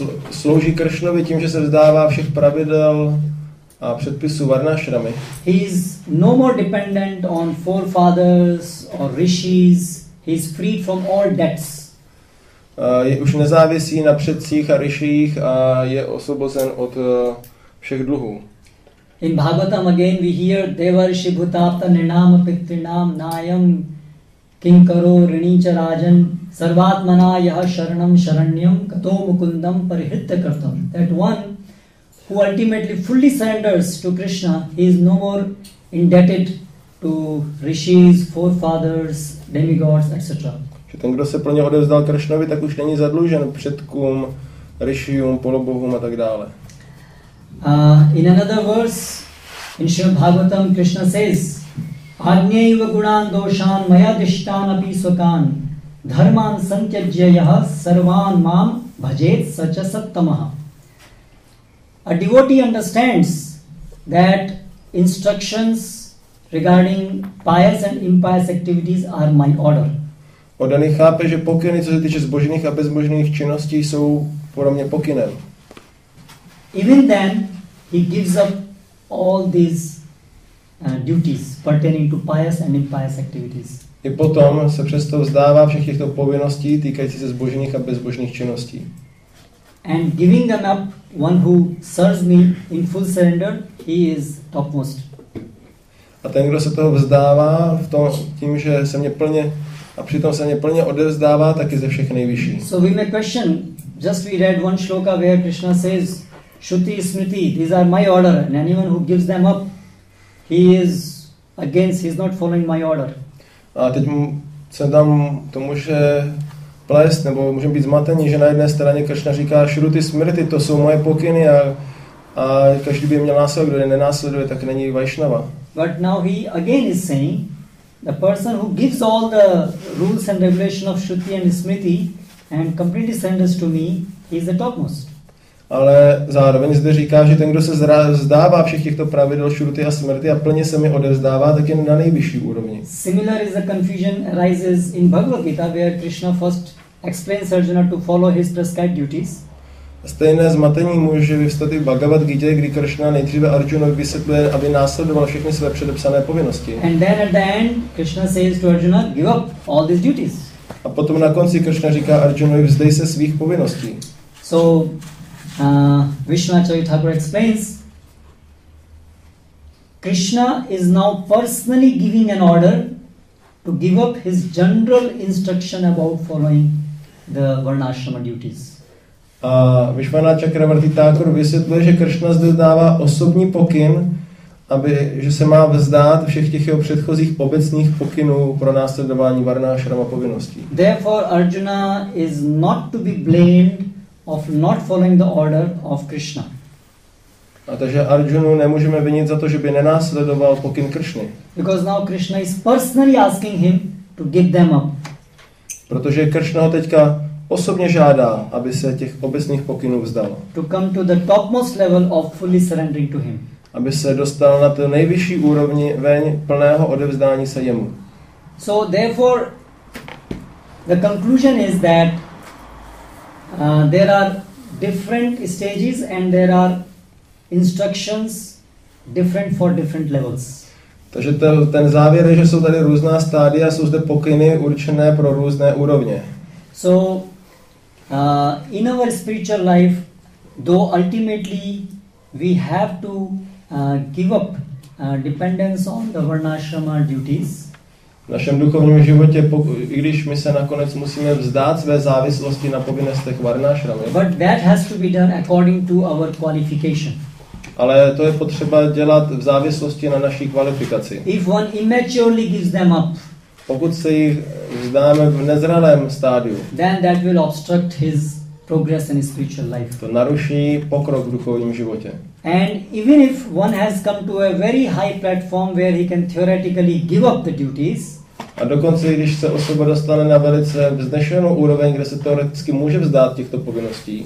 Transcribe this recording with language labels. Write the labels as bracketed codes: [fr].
[cs] Slouží Krishnovi tím, že se vzdává všech pravidel a předpisů varnashramy. [en] He is no more dependent on forefathers or rishis. He is freed from all debts. [cs] Je už nezávisí na předcích a rishích a je osvobozen od všech dluhů. [en] In Bhagavatam again we hear [sa] Devarshi Bhutapta Ninam Pitrinam Nayam Kinkaro Rinicha Rajan Sarvatmana Yaha Sharanam Sharanyam Kato Mukundam Parihitya Kartam. [en] That one who ultimately fully surrenders to Krishna, he is no more indebted to rishis, forefathers, demigods, etc. [cs] Že ten, kdo se pro ně odevzdal Krishnovi, tak už není zadlužen předkům, rishium, polobohům a tak dále. [en] In another verse, in Srimad Bhagavatam, Krishna says, [sa] "Agnyeva gunan doshan maya dishtan api svakan dharman santyajyah sarvan mam bhajet sacha sattamaha." [en] A devotee understands that instructions regarding pious and impious activities are my order. [cs] Oddaný chápe, že pokyny, co se týče zbožných a bezbožných činností, jsou pro mě pokynem. [en] Even then, he gives up all these duties pertaining to pious and impious activities. [cs] I potom se přesto vzdává všech těchto povinností týkající se zbožných a bezbožných činností. [en] And giving them up, one who serves me in full surrender, he is topmost. [cs] A ten, kdo se toho vzdává v tom, tím, že se mě plně a přitom se mě plně odevzdává, tak je ze všech nejvyšší. [en] So we may question, just we read one shloka where Krishna says, Shruti, Smriti, these are my order, and anyone who gives them up, he is not following my order. [cs] A teď se tam to může plést, nebo můžeme být zmatení, že na jedné straně Krishna říká, Shruti, Smriti, to jsou moje pokyny, a každý by měl následovat, kdo nenásleduje, tak není Vaishnava. [en] But now he again is saying, the person who gives all the rules and regulation of Shruti and Smriti, and completely surrenders to me, he is the topmost. [cs] Ale zároveň zde říká, že ten, kdo se vzdává všech těchto pravidel šruty a smrti a plně se mi odevzdává, tak je na nejvyšší úrovni. [en] Similar is the confusion arises in Bhagavad Gita, where Krishna first explains Arjuna to follow his prescribed duties. [cs] Stejné zmatení může vyvstat i v Bhagavad Gita, kdy Krishna nejdříve Arjunovi vysvětluje, aby následoval všechny své předepsané povinnosti. [en] And then at the end, Krishna says to Arjuna, give up all these duties. [cs] A potom na konci Krishna říká Arjunovi, vzdej se svých povinností. [en] So Vishwanatha Thakur explains, Krishna is now personally giving an order to give up his general instruction about following the varnashrama duties. [cs] Vishwanatha Chakravarti Thakur vysvětluje, že Krishna zde dává osobní pokyn, aby že se má vzdát všech těch jeho předchozích obecných pokynů pro následování varnashrama povinností. [en] Therefore, Arjuna is not to be blamed of not following the order of Krishna. [cs] A takže Arjunu nemůžeme vinit za to, že by nenásledoval pokyn Krishny. [en] Because now Krishna is personally asking him to give them up. [cs] Protože Krishna ho teďka osobně žádá, aby se těch obecných pokynů vzdal. [en] To come to the topmost level of fully surrendering to him. [cs] Aby se dostal na tu nejvyšší úrovni veň plného odevzdání se jemu. [en] So therefore the conclusion is that there are different stages and there are instructions different for different levels. [cs] Takže ten závěr je, že jsou tady různá stádia, jsou zde pokyny určené pro různé úrovně. [en] So in our spiritual life, though ultimately we have to give up dependence on the varnashrama duties. [cs] V našem duchovním životě, i když my se nakonec musíme vzdát své závislosti na povinnostech varnashramy. [en] But that has to be done according to our qualification. [cs] Ale to je potřeba dělat v závislosti na naší kvalifikaci. [en] If one immaturely gives them up, [cs] pokud se jich vzdáme v nezralém stádiu, [en] then that will obstruct his progress in his spiritual life. [cs] To naruší pokrok v duchovním životě. [en] And even if one has come to a very high platform where he can theoretically give up the duties, [cs] a dokonce i když se osoba dostane na velice vznešenou úroveň, kde se teoreticky může vzdát těchto povinností,